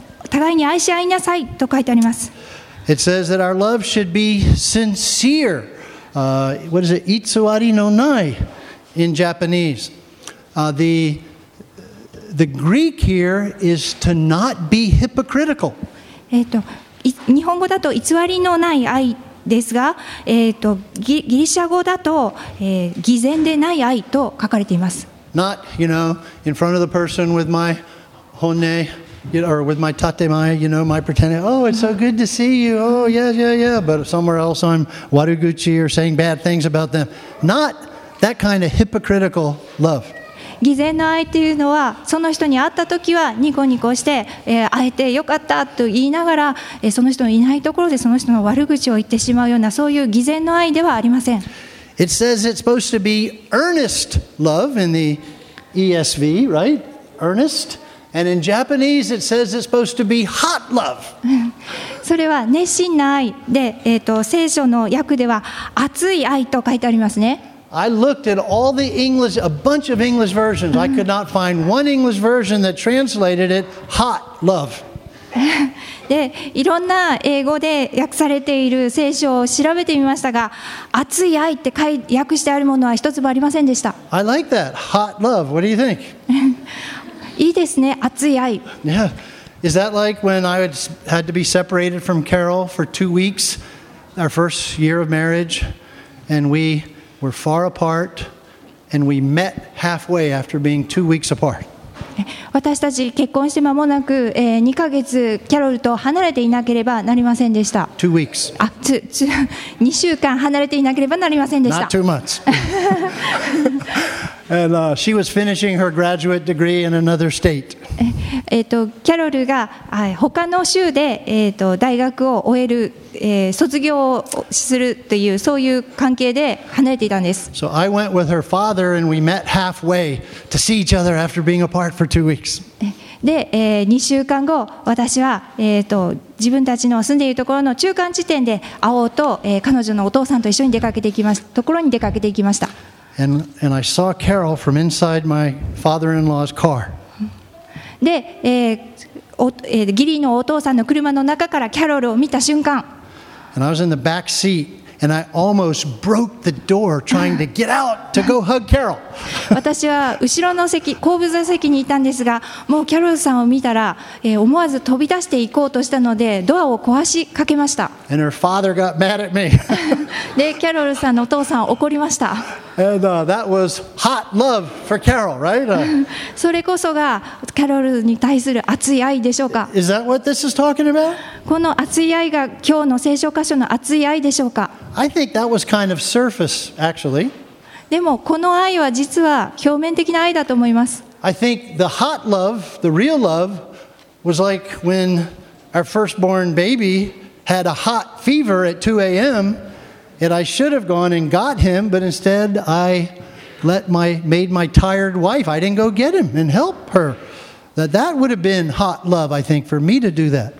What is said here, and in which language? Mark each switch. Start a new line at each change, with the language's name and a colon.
Japanese: 互いに愛し合いなさいと書いてあります。
English: It says that our love should be sincere. What is it?
Japanese: Itsuari no nai
English: in Japanese. The Greek here is to not be hypocritical.
Japanese: 日本語だと偽りのない愛ですが、ギリシャ語だと、偽善でない愛と書かれています。
English: Not, you know, in front of the person with my honne, you know, or with my tatemae, you know, my pretending, oh, it's so good to see you, oh, yeah, yeah, yeah, but somewhere else I'm waruguchi or saying bad things about them. Not that kind of hypocritical love.
Japanese: 偽善の愛というのは、その人に会ったときはニコニコして、会えてよかったと言いながら、その人のいないところでその人の悪口を言ってしまうような、そういう偽善の愛ではありません。
English: It says it's supposed to be earnest love in the ESV, right? Earnest. And in Japanese, it says it's supposed to be hot love.
Japanese: それは熱心な愛で、聖書の訳では熱い愛と書いてありますね。
English: I looked at all the English, a bunch of English versions. I could not find one English version that translated it hot love.
Japanese: で、いろんな英語で訳されている聖書を調べてみましたが、熱い愛って訳してあるものは一つもありませんでした。
English: I like that. Hot love. What do you think?
Japanese: いいですね。熱い愛。
English: Yeah. Is that like when I had to be separated from Carol for 2 weeks, our first year of marriage, and we... We're far apart, and we met halfway after being 2 weeks apart.
Japanese: 私たち結婚して間もなく、2ヶ月キャロルと離れていなければなりませんでした。
English: 2 weeks.
Japanese: 2週間離れていなければなりませんでした。
English: Not 2 months. And she was finishing her graduate degree in another state.
Japanese: キャロルが他の州で大学を終える卒業をするというそういう関係で離れていたんです。
English: So I went with her father and we met halfway to see each other after being apart for 2 weeks.
Japanese: で、2週間後私は自分たちの住んでいるところの中間地点で会おうと、彼女のお父さんと一緒に出かけていきますところに出かけていきました。
English: And I saw Carol from inside my father-in-law's car.
Japanese: で、義理のお父さんの車の中からキャロルを見た瞬間。
English: And I was in the back seat, and I almost broke the door trying to get out to go hug Carol.
Japanese: 私は後ろの席、後部座席にいたんですが、もうキャロルさんを見たら、思わず飛び出して行こうとしたので、ドアを壊しかけました。
English: And her father got mad at me.
Japanese: で、キャロルさんのお父さん怒りました。
English: And that was hot love for Carol, right?
Japanese: それこそがキャロルに対する熱い愛でしょうか?
English: Is that what this is talking about?
Japanese: この熱い愛が今日の聖書箇所の熱い愛でしょうか?
English: I think that was kind of surface, actually.
Japanese: でもこの愛は実は表面的な愛だと思います。
English: I think the hot love, the real love, was like when our firstborn baby had a hot fever at 2 a.m. And I should have gone and got him, but instead I made my tired wife. I didn't go get him and help her. That would have been hot love, I think, for me to do that.